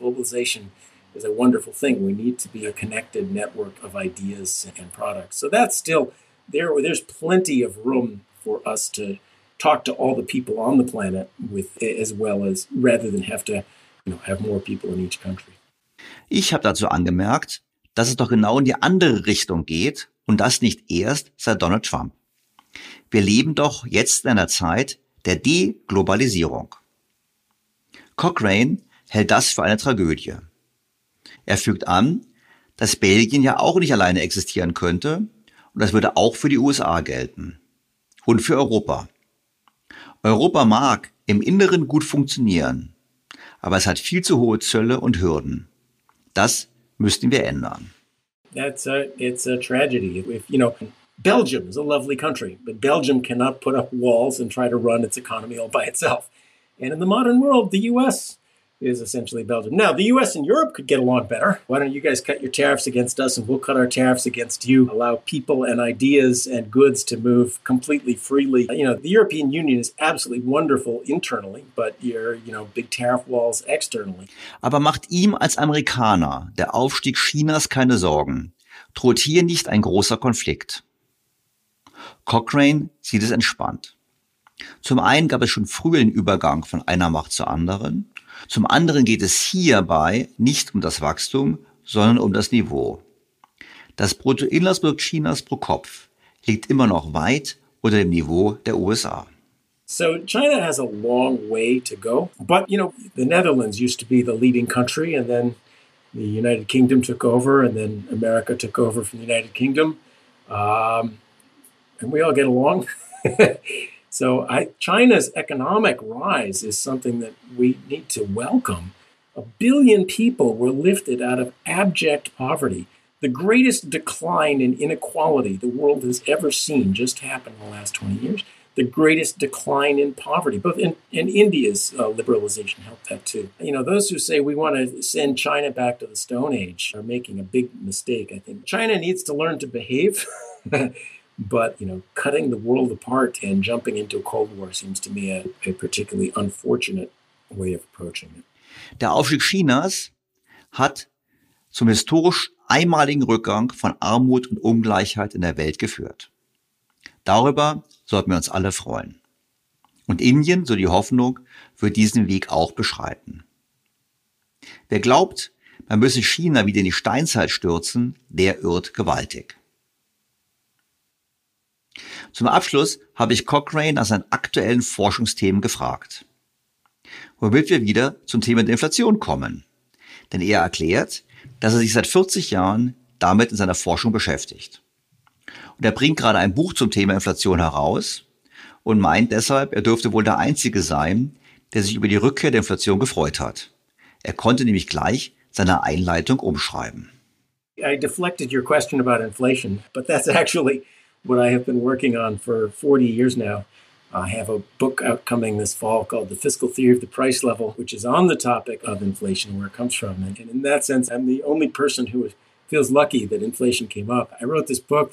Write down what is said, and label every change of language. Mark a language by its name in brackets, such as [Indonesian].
[English] Globalization is a wonderful thing. We need to be a connected network of ideas and products. So that's still there. There's plenty of room for us to talk to all the people on the planet with, as well as rather than have to have more people in each country. [German] Ich habe dazu angemerkt, dass es doch genau in die andere Richtung geht und das nicht erst seit Donald Trump. Wir leben doch jetzt in einer Zeit der Deglobalisierung. Cochrane hält das für eine Tragödie. Er fügt an, dass Belgien ja auch nicht alleine existieren könnte und das würde auch für die USA gelten. Und für Europa. Europa mag im Inneren gut funktionieren, aber es hat viel zu hohe Zölle und Hürden. Das müssten wir ändern. [English] It's a tragedy. If, you know, Belgium is a lovely country, but Belgium cannot put up walls and try to run its economy all by itself. And in the modern world, the US is essentially Belgium. Now, the US and Europe could get along better. Why don't you guys cut your tariffs against us and we'll cut our tariffs against you, allow people and ideas and goods to move completely freely. You know, the European Union is absolutely wonderful internally, but your, you know, big tariff walls externally. [German] Aber macht ihm als Amerikaner der Aufstieg Chinas keine Sorgen? Droht hier nicht ein großer Konflikt? Cochrane sieht es entspannt. Zum einen gab es schon früher den Übergang von einer Macht zur anderen. Zum anderen geht es hierbei nicht um das Wachstum, sondern um das Niveau. Das Bruttoinlandsprodukt Chinas pro Kopf liegt immer noch weit unter dem Niveau der USA. [English] So China has a long way to go, but you know, the Netherlands used to be the leading country and then the United Kingdom took over and then America took over from the United Kingdom. And we all get along. So China's economic rise is something that we need to welcome. 1 billion people were lifted out of abject poverty. The greatest decline in inequality the world has ever seen just happened in the last 20 years. The greatest decline in poverty, both in India's liberalization helped that too. You know, those who say we want to send China back to the Stone Age are making a big mistake, I think. China needs to learn to behave. But, you know, cutting the world apart and jumping into a Cold War seems to me a particularly unfortunate way of approaching it. [German] Der Aufstieg Chinas hat zum historisch einmaligen Rückgang von Armut und Ungleichheit in der Welt geführt. Darüber sollten wir uns alle freuen. Und Indien, so die Hoffnung, wird diesen Weg auch beschreiten. Wer glaubt, man müsse China wieder in die Steinzeit stürzen, der irrt gewaltig. Zum Abschluss habe ich Cochrane nach seinen aktuellen Forschungsthemen gefragt. Womit wir wieder zum Thema der Inflation kommen. Denn er erklärt, dass er sich seit 40 Jahren damit in seiner Forschung beschäftigt. Und er bringt gerade ein Buch zum Thema Inflation heraus und meint deshalb, er dürfte wohl der Einzige sein, der sich über die Rückkehr der Inflation gefreut hat. Er konnte nämlich gleich seine Einleitung umschreiben. [English] I deflected your question about inflation, but that's actually what I have been working on for 40 years now. I have a book upcoming this fall called The Fiscal Theory of the Price Level, which is on the topic of inflation and where it comes from. And in that sense, I'm the only person who feels lucky that inflation came up. I wrote this book.